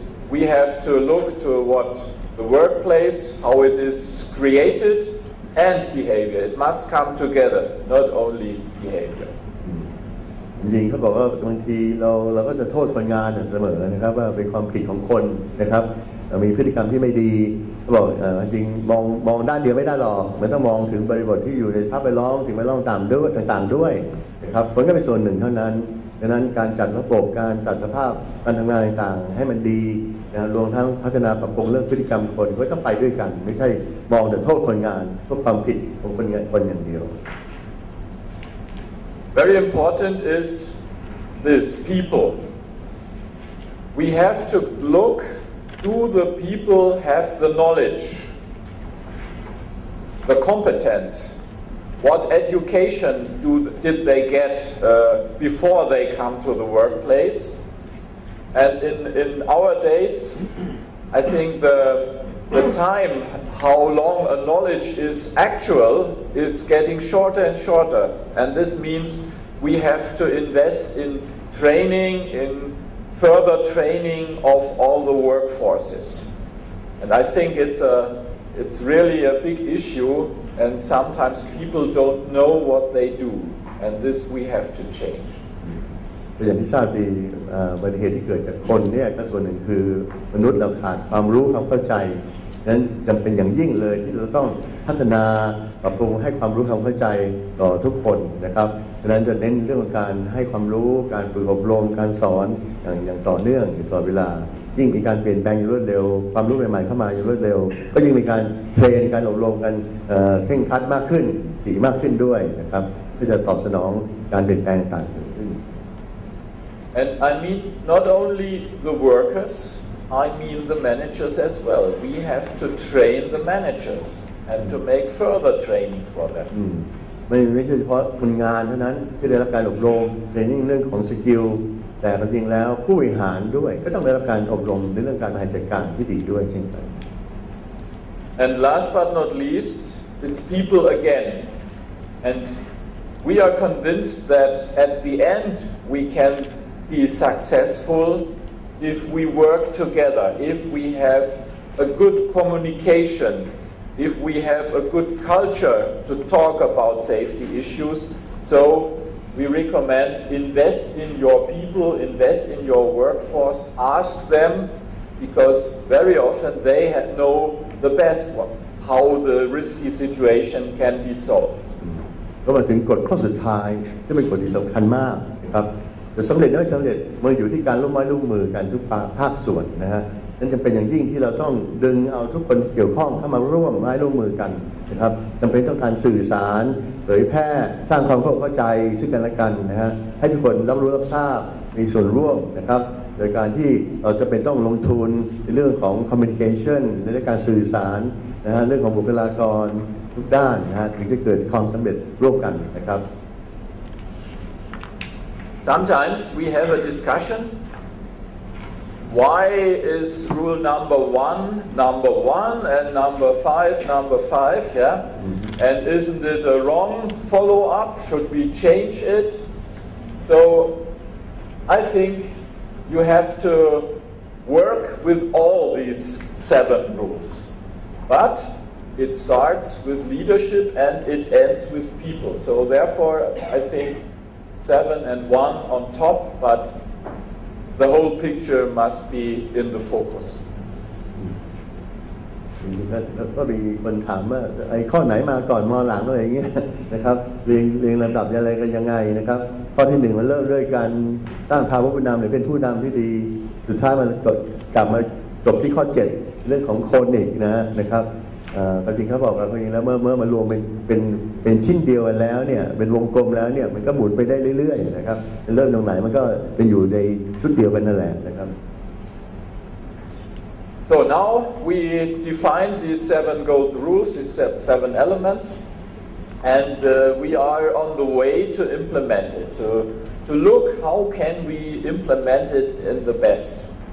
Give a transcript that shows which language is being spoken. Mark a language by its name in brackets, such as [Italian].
[English] We have to look to what the workplace, how it is created, and behavior. It must come together, not only behavior. [Thai] จริงเขาบอกว่าบางทีเราก็จะโทษคนงานเสมอนะครับว่าเป็นความผิดของคนนะครับมีพฤติกรรมที่ไม่ดีเขาบอกจริงมองด้านเดียวไม่ได้หรอกมันต้องมองถึงบริบทที่อยู่ในสภาพแวดล้อมถึงแวดล้อมต่างด้วยครับมันก็เป็นส่วนหนึ่งเท่านั้นดังนั้นการจัดระบบการจัดสภาพการทำงานต่างๆให้มันดีนะรวมทั้งพัฒนาปรับปรุงเรื่องพฤติกรรมคนก็ต้องไปด้วยกันไม่ใช่มองแต่โทษคนงานโทษความผิดของคนอย่างเดียว [English] Very important is this people. We have to look do the people have the knowledge, the competence. What education did they get before they come to the workplace? And in our days, I think the time, how long a knowledge is actual, is getting shorter and shorter. And this means we have to invest in training, in further training of all the workforces. And I think it's really a big issue. And sometimes people don't know what they do, and this we have to change. [Thai] เป็นอย่างที่ทราบดีบริเหตุที่เกิดจากคนเนี่ยก็ส่วนหนึ่งคือมนุษย์เราขาดความรู้ความเข้าใจดังนั้นจำเป็นอย่างยิ่งเลยที่เราต้องพัฒนาปรับปรุงให้ความรู้ความเข้าใจต่อทุกคนนะครับดังนั้นจะเน้นเรื่องการให้ความรู้การฝึกอบรมการสอนอย่างต่อเนื่องอยู่ตลอดเวลายิ่งมีการเปลี่ยนแปลงอย่างรวดเร็วความรู้ใหม่ๆเข้ามาอย่างรวดเร็วก็ยิ่งมีการเทรนการอบรมกันเข่งคัดมากขึ้นถี่มากขึ้นด้วยนะครับก็จะตอบสนองการเปลี่ยนแปลงต่างขึ้น [English] And I mean not only the workers I mean the managers as well we have to train the managers and to make further training for them [Thai] ไม่ใช่เฉพาะคนงานเท่านั้นที่ได้รับการอบรมเทรนนิ่งเรื่องของสกิลแต่จริงแล้วผู้บริหารด้วยก็ต้องได้รับการอบรมในเรื่องการบริหารจัดการที่ดีด้วยเช่นกัน [English] And last but not least it's people again and we are convinced that at the end we can be successful if we work together if we have a good communication if we have a good culture to talk about safety issues soWe recommend invest in your people, invest in your workforce, ask them because very often they had know the best one, how the risky situation can be solved. [Thai] ก็มาถึงกฎข้อสุดท้ายที่เป็นกฎที่สำคัญมากครับจะสำเร็จหรือไม่สำเร็จมันอยู่ที่การร่วมไม้ร่วมมือกันทุกภาคส่วนนะฮะนั่นจำเป็นอย่างยิ่งที่เราต้องดึงเอาทุกคนเกี่ยวข้องเข้ามาร่วมไม้ร่วมมือกันนะครับจำเป็นต้องการสื่อสารเผยแพร่ สร้างความเข้าใจซึ่งกันและกันนะฮะให้ทุกคนรับรู้รับทราบมีส่วนร่วมนะครับโดยการที่เราจะเป็นต้องลงทุนในเรื่องของคอมมิวนิเคชันในเรื่องการสื่อสารนะฮะเรื่องของบุคลากรทุกด้านนะฮะถึงจะเกิดความสำเร็จร่วมกันนะครับ [English] Sometimes we have a discussion why is rule number 1 number 1 and number 5 number 5 yeah and isn't it a wrong follow up should we change it so I think you have to work with all these 7 rules butIt starts with leadership and it ends with people. So therefore, I think 7 and 1 on top, but the whole picture must be in the focus. [Thai] ก็มีคนถามว่าไอ้ข้อไหนมาก่อนมอหลังอะไรอย่างเงี้ยนะครับเรียงลำดับอะไรกันยังไงนะครับข้อที่1มันเริ่มด้วยการสร้างภาวะผู้นำหรือเป็นผู้นำที่ดีสุดท้ายมันกลับมาจบที่ข้อ7เรื่องของคนอีกนะครับปฏิคับบอกเราเองแล้วเมื่อมารวมเป็นชิ้นเดียวแล้วเนี่ยเป็นวงกลมแล้วเนี่ยมันก็หมุนไปได้เรื่อยๆนะครับเริ่มตรงไหนมันก็เป็นอยู่ในชุดเดียวกันนั่นแหละนะครับ [English] So now we define these 7 gold rules, these 7 elements, and we are on the way to implement it. To look how can we implement it in the best.